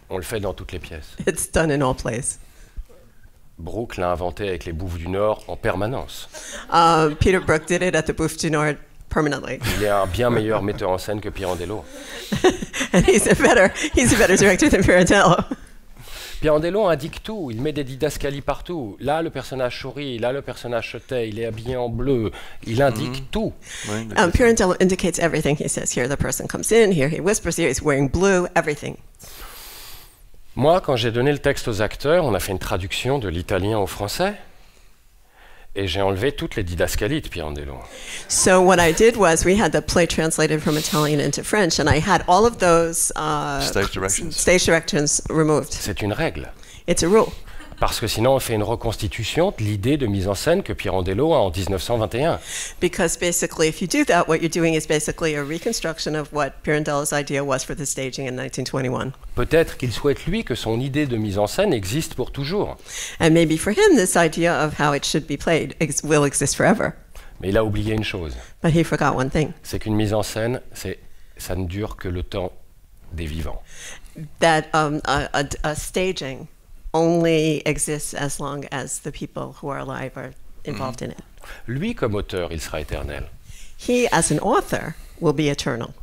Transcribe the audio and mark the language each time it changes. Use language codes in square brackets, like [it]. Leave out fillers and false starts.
[fr] On le fait dans toutes les pièces. [en] It's done in all plays. [fr] Brooke l'a inventé avec les Bouffes du Nord en permanence. [en] Peter Brook did it at the Bouffes du Nord permanently. [fr] Il est un bien meilleur metteur en scène que Pirandello. [en] And he's a better director than Pirandello. [fr] Pirandello indique tout, il met des didascalies partout. Là, le personnage sourit, là, le personnage se tait, il est habillé en bleu, il indique tout. [en] Oui, Pirandello indicates everything, he says. Here, the person comes in, here, he whispers, here, he's wearing blue, everything. [fr] Moi, quand j'ai donné le texte aux acteurs, on a fait une traduction de l'italien au français, et j'ai enlevé toutes les didascalies de Pirandello. [en] So what I did was, we had the play translated from Italian into French, and I had all of those stage directions removed. [fr] C'est une règle. [en] It's a rule. [fr] Parce que sinon, on fait une reconstitution de l'idée de mise en scène que Pirandello a en 1921. [en] Because basically, if you do that, what you're doing is basically a reconstruction of what Pirandello's idea was for the staging in 1921. [fr] Peut-être qu'il souhaite, lui, que son idée de mise en scène existe pour toujours. [en] And maybe for him, this idea of how it should be played will exist forever. [fr] Mais il a oublié une chose. [en] But he forgot one thing. [fr] C'est qu'une mise en scène, ça ne dure que le temps des vivants. [en] That a staging only exists as long as the people who are alive are involved in it. [fr] Lui, comme auteur, il sera éternel. [en] He, as an author, will be eternal.